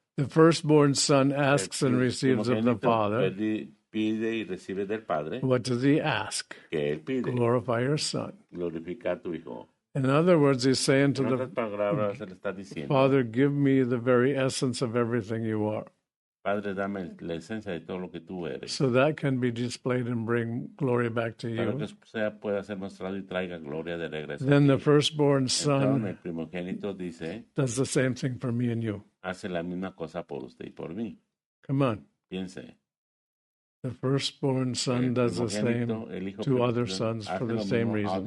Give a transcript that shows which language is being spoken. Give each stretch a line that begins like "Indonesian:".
English: The firstborn son asks and receives of the Father.
Spanish: Pide y recibe del padre.
English: What does he ask?
Spanish: Que él pide.
English: Glorify your son.
Spanish: Glorificar tu hijo.
English: In other words, he's saying to the
Spanish: palabras, él está diciendo,
English: Father, give me the very essence of everything you are.
Spanish: Padre, dame la esencia de todo lo que tú eres.
English: So that can be displayed and bring glory back to you.
Spanish: Para que sea, pueda ser mostrado y traiga gloria de regreso.
English: Then the firstborn son
Spanish: el primogénito dice,
English: does the same thing for me and you.
Spanish: Hace la misma cosa por usted y por mí.
English: Come on.
Spanish: Piense.
English: The firstborn son
Spanish: el
English: does the same to other sons for the same reason.